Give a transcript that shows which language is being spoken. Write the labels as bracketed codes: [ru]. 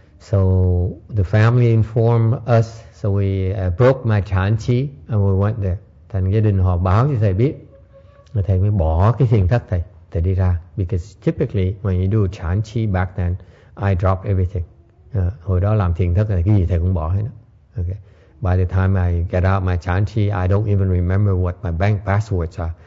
[en] So the family informed us, so we broke my chan chi and we went there. [vi] Thành gia đình họ báo cho thầy biết, thầy mới bỏ cái thiền thất thầy đi ra. [en] Because typically when you do chan chi back then, I dropped everything. [vi] Hồi đó làm thiền thất là cái gì thầy cũng bỏ hết. [en] Okay. By the time I get out my chan chi, I don't even remember what my bank passwords are.